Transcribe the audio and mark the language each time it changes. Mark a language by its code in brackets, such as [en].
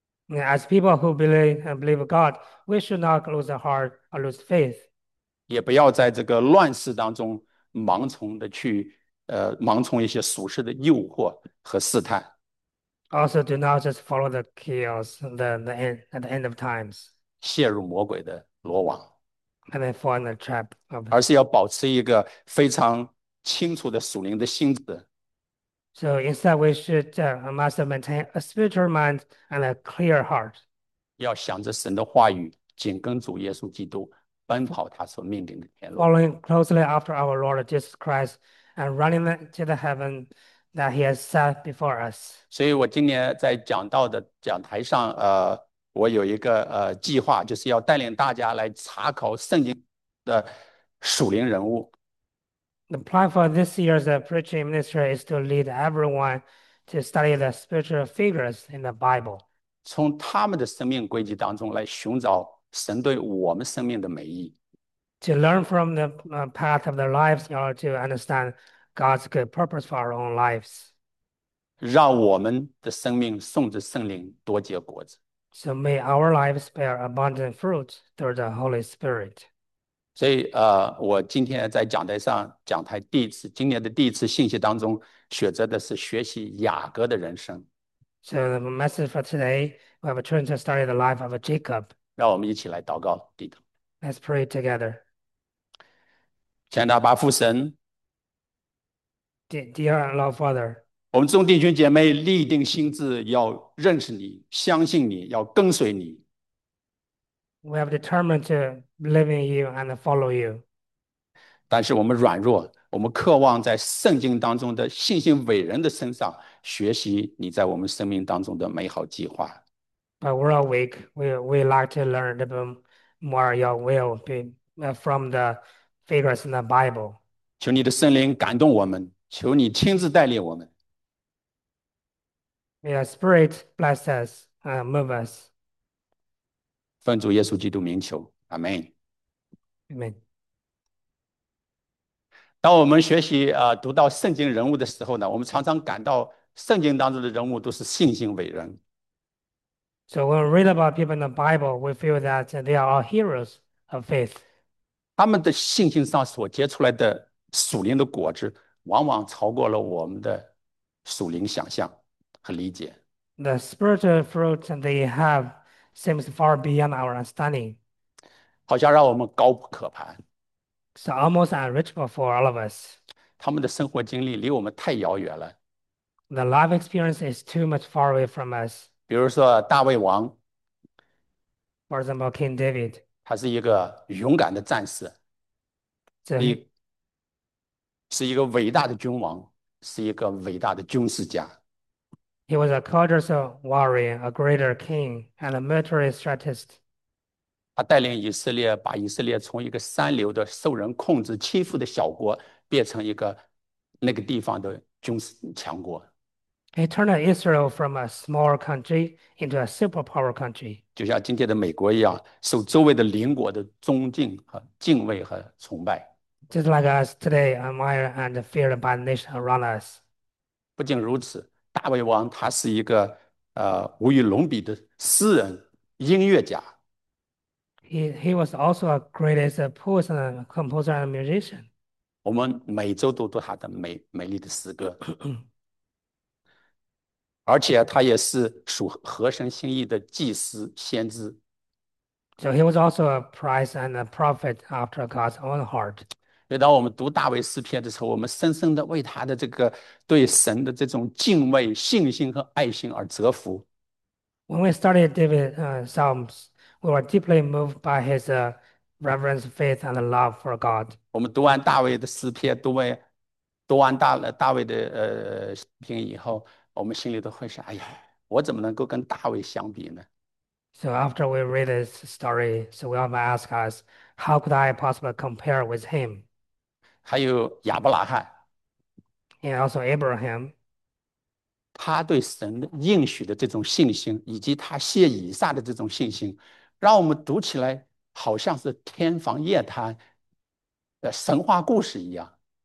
[en] As people who believe and believe God, we should not lose heart or lose faith. [zh] 也不要在这个乱世当中盲从一些属世的诱惑和试探。 [en] Also, do not just follow the chaos at the end of times, [zh] 陷入魔鬼的罗网。 [en] and then fall in the trap of. [zh] 而是要保持一个非常清楚的属灵的心智。 [en] So instead, we should must maintain a spiritual mind and a clear heart. [zh] 要想着神的话语，紧跟主耶稣基督，奔跑他所命定的天路。 [en] Following closely after our Lord Jesus Christ and running to the heaven that he has set before us. [zh] 所以我今年在讲道的讲台上，我有一个计划，就是要带领大家来查考圣经的属灵人物， [en] The plan for this year's preaching ministry is to lead everyone to study the spiritual figures in the Bible. [zh] 从他们的生命轨迹当中来寻找神对我们生命的美意。 [en] To learn from the path of their lives in order to understand God's good purpose for our own lives. [zh] 让我们的生命送着圣灵多结果子。 [en] So may our lives bear abundant fruit through the Holy Spirit. [zh] 所以，我今天在讲台第一次，今年的第一次信息当中，选择的是学习雅各的人生。 [en] So the message for today, we have a turn to study the life of Jacob. [zh] 让我们一起来祷告，低头。 [en] Let's pray together. [zh] 亲爱的阿爸父神， [en] Dear Lord Father, [zh] 我们众弟兄姐妹立定心志，要认识你，相信你，要跟随你。 [en] we have determined to believe in you and follow you. [zh] 但是我们软弱，我们渴望在圣经当中的信心伟人的身上学习你在我们生命当中的美好计划。 [en] But we're awake. We like to learn a bit more your will from the figures in the Bible. [zh] 求你的圣灵感动我们，求你亲自带领我们。 [en] May the Spirit bless us and move us. [zh] 奉主耶稣基督名求，阿门。 [en] Amen. [zh] 当我们学习读到圣经人物的时候呢，我们常常感到圣经当中的人物都是信心伟人。 [en] So when we read about people in the Bible, we feel that they are all heroes of faith. [zh] 他们的信心上所结出来的属灵的果子，往往超过了我们的属灵想象和理解。 [en] The spiritual fruit they have seems far beyond our understanding. [zh] 好像让我们高不可攀。 [en] So almost unreachable for all of us. [zh] 他们的生活经历离我们太遥远了。 [en] The life experience is too much far away from us. [zh] 比如说大卫王， [en] For example, King David. [zh] 他是一个勇敢的战士， [en] So he. [zh] 是一个伟大的君王，是一个伟大的军事家。 [en] He was a courageous warrior, a greater king, and a military strategist. [zh] 他带领以色列，把以色列从一个三流的、受人控制、欺负的小国，变成一个那个地方的军事强国， [en] He turned Israel from a small country into a superpower country. [zh] 就像今天的美国一样，受周围的邻国的尊敬和敬畏和崇拜。 [en] Just like us today, admired and feared by the nation around us. [zh] 不仅如此，大卫王他是一个无与伦比的诗人、音乐家。 [en] He was also a greatest poet and composer and musician. [zh] 我们每周都读他的美丽的诗歌，而且他也是属合神心意的祭司、先知。 [en] So he was also a prophet and a prophet after God's own heart. [zh] 所以，当我们读大卫诗篇的时候，我们深深的为他的这个对神的这种敬畏、信心和爱心而折服。 [en] When we studied David Psalms, we were deeply moved by his reverence, faith, and love for God. [zh] 我们读完大卫的诗篇，读完大卫的诗篇以后，我们心里都会想：哎呀，我怎么能够跟大卫相比呢？ [en] So after we read this story, so we all might ask us, how could I possibly compare with him? [zh] 还有亚伯拉罕， [en] And also Abraham. [zh] 他对神应许的这种信心，以及他谢以撒的这种信心，让我们读起来好像是天方夜谭的神话故事一样。